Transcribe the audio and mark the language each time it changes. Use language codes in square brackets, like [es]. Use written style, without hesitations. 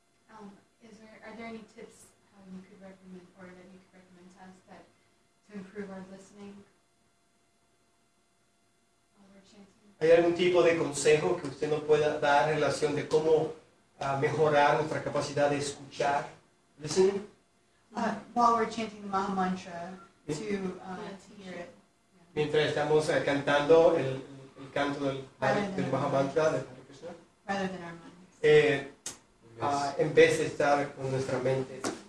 [en] Are there any tips you could recommend or that you could recommend to us that to improve our listening while we're chanting? [es] ¿Hay algún tipo de consejo que usted nos pueda dar en relación de cómo a mejorar nuestra capacidad de escuchar [en] listening? While we're chanting the Maha Mantra to hear it. [es] Mientras estamos cantando el canto del Maha Mantra de Hare Krishna. [en] Rather than our minds. [es] En vez de estar con nuestra mente.